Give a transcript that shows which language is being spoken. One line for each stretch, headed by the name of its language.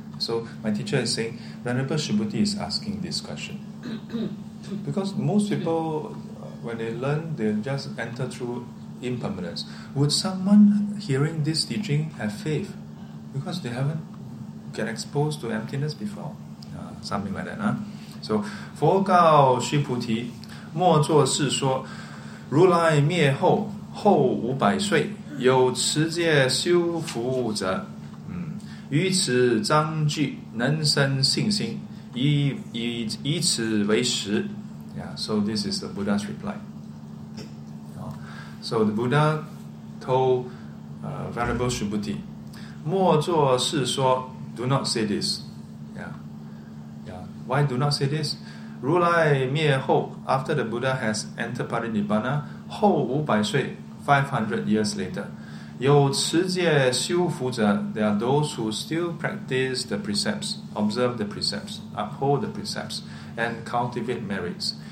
English: So my teacher is saying, Venerable Shibuti is asking this question. Because most people, when they learn, they just enter through impermanence. Would someone hearing this teaching have faith? Because they haven't get exposed to emptiness before. Something like that.
Chinese: So, 佛告须菩提，莫作是说，如来灭后，后五百岁，有持戒修福者，于此章句能生信心，以此为实。
English: So this is the Buddha's reply. So the Buddha told Venerable Shibuti,
Chinese: 莫作是说
English: do not say this. Why do not say this?
Chinese: 如来灭后
English: after the Buddha has entered Parinibbana,
Chinese: 后五百岁
English: 500 years later,
Chinese: 有持戒修福者
English: there are those who still practice the precepts, observe the precepts, uphold the precepts, and cultivate merits.